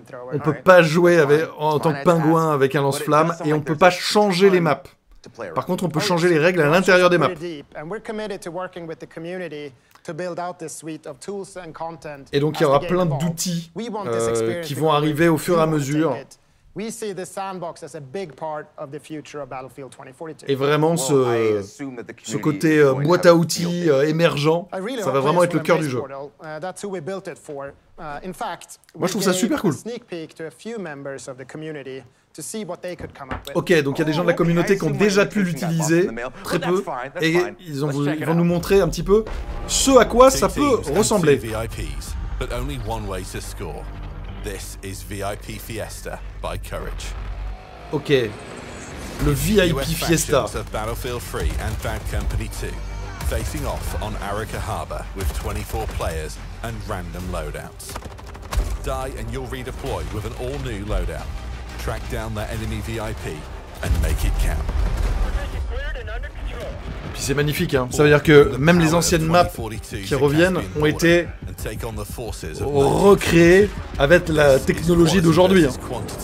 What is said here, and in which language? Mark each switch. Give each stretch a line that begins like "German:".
French: On peut pas jouer avec, en tant que pingouin avec un lance-flammes et on peut pas changer les maps. Par contre, on peut changer les règles à l'intérieur des maps. Et donc, il y aura plein d'outils qui vont arriver au fur et à mesure.
English: We see the sandbox as a big part of the future of Battlefield 2042.
French: Et vraiment ce côté boîte à outils émergent, really ça va vraiment être le cœur du jeu.
English: That's who we built it for. In fact,
French: moi je trouve ça super cool.
English: Sneak peek to a few members of the community to see what they could come up with.
French: OK, donc il y a des gens de la communauté qui ont déjà pu l'utiliser très peu et ils vont nous montrer un petit peu ce à quoi ça peut ressembler.
English: But only one way to score. This is VIP Fiesta by Courage. OK.
French: Le VIP Fiesta.
English: Of Battlefield 3 and Bad Company 2 facing off on Arica Harbor with 24 players and random loadouts. Die and you'll redeploy with an all new loadout. Track down that enemy VIP and make it count.
French: Puis c'est magnifique, hein. Ça veut dire que même les anciennes maps qui reviennent ont été recréées avec la technologie d'aujourd'hui. Hein.